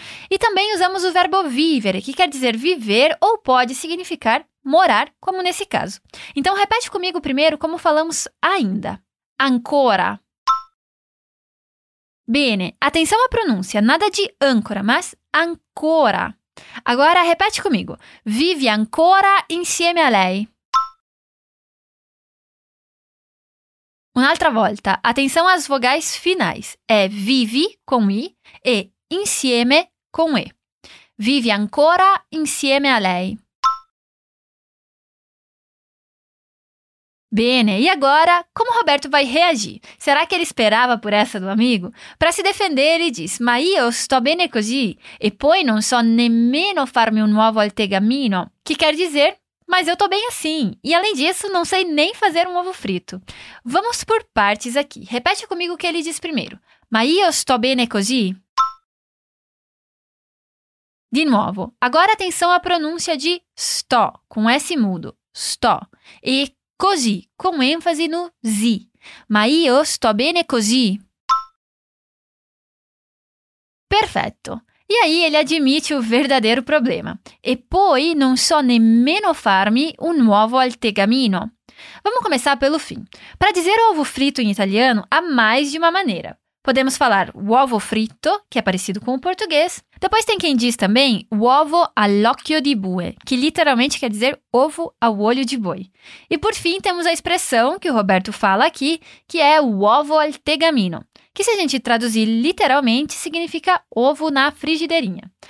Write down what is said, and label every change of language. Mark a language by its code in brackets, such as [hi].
[pt] E também usamos o verbo vivere, que quer dizer viver ou pode significar morar, como nesse caso. Então repete comigo primeiro como falamos ainda. Ancora. Bene, atenção à pronúncia, nada de âncora, mas ancora. Agora, repete comigo, [it] vive ancora insieme a lei. Un'altra volta, [pt] atenção às vogais finais, é vive com i e insieme com e. [it] Vive ancora insieme a lei. [pt] Bene, e agora, como Roberto vai reagir? Será que ele esperava por essa do amigo? Para se defender, ele diz, [it] ma io sto bene così, e poi non so nemmeno farmi un nuovo altegamino, [pt] que quer dizer, mas eu tô bem assim, e além disso, não sei nem fazer um ovo frito. Vamos por partes aqui, repete comigo o que ele diz primeiro. [it] Ma io sto bene così? [pt] De novo, agora atenção à pronúncia de sto, com S mudo, sto, e così, com ênfase no z. [it] Ma io sto bene così. Perfetto. [pt] E aí ele admite o verdadeiro problema. [it] E poi non so nemmeno farmi un nuovo altegamino. [pt] Vamos começar pelo fim. Para dizer ovo frito em italiano, há mais de uma maneira. Podemos falar uovo fritto, que é parecido com o português. Depois tem quem diz também [it] uovo all'occhio di bue, [pt] que literalmente quer dizer ovo ao olho de boi. E por fim, temos a expressão que o Roberto fala aqui, que é [it] uovo al tegamino, [pt] que se a gente traduzir literalmente, significa ovo na frigideirinha.